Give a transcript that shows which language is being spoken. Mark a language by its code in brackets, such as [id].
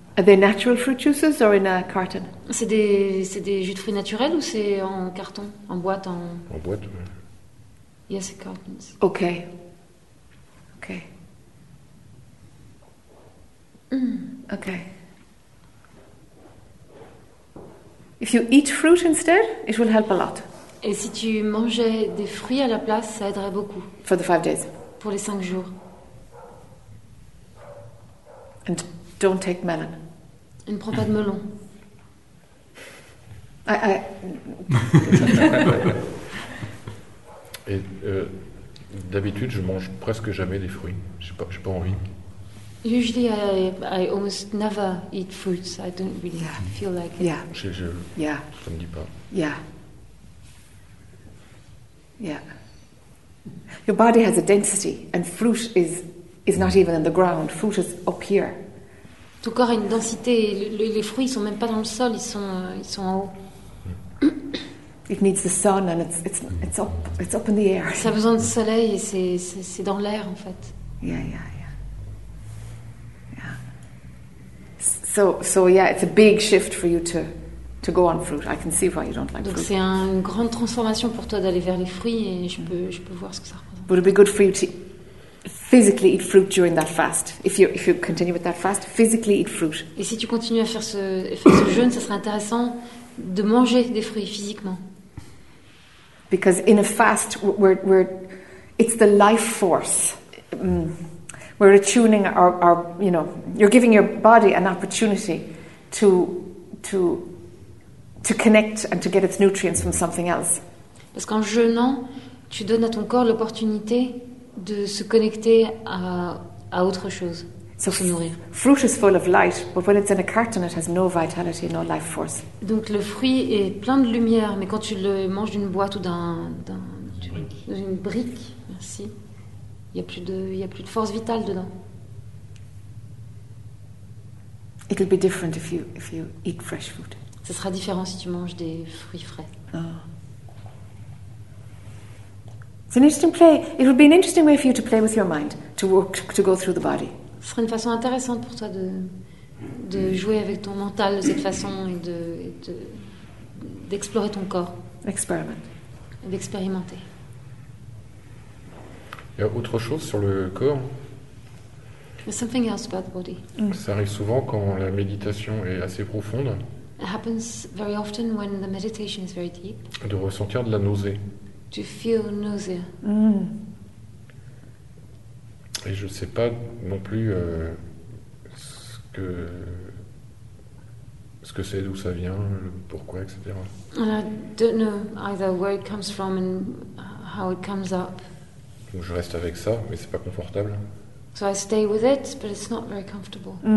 [en] Are they natural fruit juices or in a carton? [fr] C'est des jus de fruits naturels ou c'est en carton, en boîte, en. En boîte. [en] Yes, in cartons. Okay. Okay. Okay. If you eat fruit instead, it will help a lot. [fr] Et si tu mangeais des fruits à la place, ça aiderait beaucoup. [en] For the 5 days. [fr] Pour les 5 jours. [en] And don't take melon. [fr] Et ne prends pas de melon. [en] I... [fr] Et d'habitude, je mange presque jamais des fruits. J'ai pas envie. [en] Usually, I almost never eat fruits. I don't really feel like it. Yeah. [fr] Ça me dit pas. [en] Yeah. Yeah. Your body has a density, and fruit is not even in the ground. Fruit is up here. [fr] Ton corps a une densité. Les fruits sont même pas dans le sol. Ils sont en haut. [en] It needs the sun, and it's up in the air. [fr] Ça a besoin de soleil et c'est dans l'air en fait. [en] Yeah. So yeah, it's a big shift for you to go on fruit. I can see why you don't like [fr] Donc [en] fruit. [fr] C'est une grande transformation pour toi d'aller vers les fruits et je peux voir ce que ça représente. [en] Would it be good for you to physically eat fruit during that fast? If you continue with that fast, physically eat fruit. [fr] Et si tu continues à faire ce jeûne, ça serait intéressant de manger des fruits physiquement. [en] Because in a fast, we're it's the life force. We're attuning our you know, you're giving your body an opportunity to connect and to get its nutrients from something else. [fr] Parce qu'en jeûnant, tu donnes à ton corps l'opportunité de se connecter à autre chose. [en] So [fr] se nourrir. [en] Fruit is full of light, but when it's in a carton, it has no vitality, no life force. [fr] Donc le fruit est plein de lumière, mais quand tu le manges d'une boîte ou d'une brique, merci, il y a plus de force vitale dedans. [en] It'll be different if you eat fresh food. [fr] Ce sera différent si tu manges des fruits frais. [en] Oh. It's an interesting play. It would be an interesting way for you to play with your mind, to work, to go through the body. [fr] Ce serait une façon intéressante pour toi de jouer avec ton mental de cette façon et d'explorer ton corps. [en] Experiment. [fr] Et d'expérimenter. Il y a autre chose sur le corps. [en] There's something else about the body. [fr] Ça arrive souvent quand la méditation est assez profonde. [en] It happens very often when the meditation is very deep. [fr] De ressentir de la nausée. [en] To feel nausea. [fr] Et je ne sais pas non plus ce que c'est, d'où ça vient, pourquoi, etc. [en] And I don't know either where it comes from and how it comes up. [fr] Donc je reste avec ça, mais c'est pas confortable. [en] So I stay with it, but it's not very comfortable.